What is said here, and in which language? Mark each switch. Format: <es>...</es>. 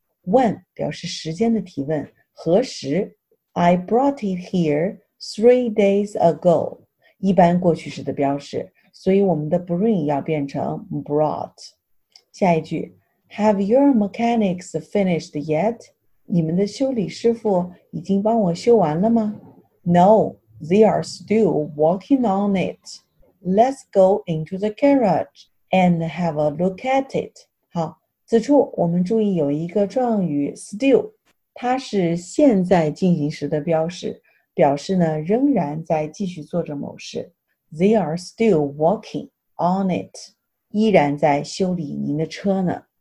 <zh>When 表示时间的提问，何时？</zh> <en>I brought it here 3 days ago.</en> <zh>一般过去时的标识，所以我们的 bring 要变成 brought. 下一句</zh> <en>Have your mechanics finished yet?</en> <zh>你们的修理师傅已经帮我修完了吗？</zh> <en>No, they are still working on it. Let's go into the garage and have a look at it.</en> <zh>好，此处我们注意有一个状语 still, 它是现在进行时的标识，表示呢仍然在继续做着某事。</zh> <en>They are still working on it.</en> <zh>依然在修理您的车呢。</zh>